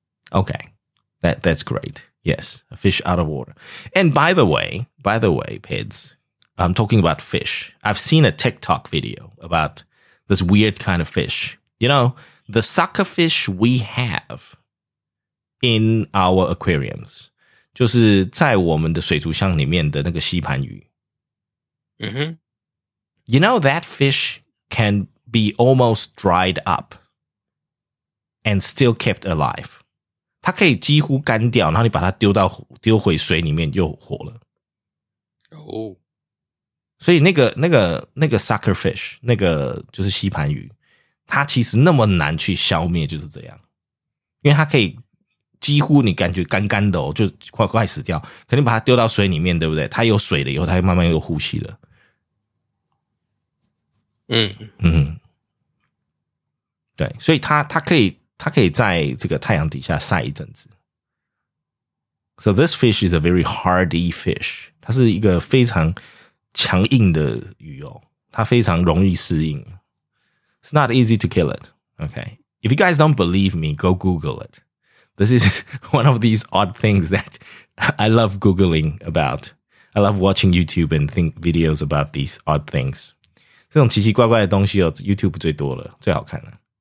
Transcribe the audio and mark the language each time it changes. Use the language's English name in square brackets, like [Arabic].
[English] Okay. That's great. Yes. A fish out of water. And by the way, Peds, I'm talking about fish. I've seen a TikTok video about this weird kind of fish. You know, the sucker fish we have in our aquariums. [Chinese] 就是在我们的水族箱里面的那个吸盘鱼。 Mm-hmm. [English] You know, that fish can be almost dried up and still kept alive. [Chinese] 它可以几乎干掉然后你把它丢回水里面又活了。 Oh. 所以那个 sucker fish, 那个就是吸盘鱼它其实那么难去消灭就是这样。因为它可以几乎你感觉干干的哦，就快快死掉，肯定把它丢到水里面，对不对？它有水了以后，它又慢慢又呼吸了。嗯嗯，对，所以它可以在这个太阳底下晒一阵子。 [English] So this fish is a very hardy fish. [Chinese] 它是一个非常强硬的鱼哦，它非常容易适应。 [English] It's not easy to kill it. Okay, if you guys don't believe me, go Google it. This is one of these odd things that I love Googling about. I love watching YouTube and think videos about these odd things. [Chinese] 这种奇奇怪怪的东西哦 ,YouTube 最多了,最好看了。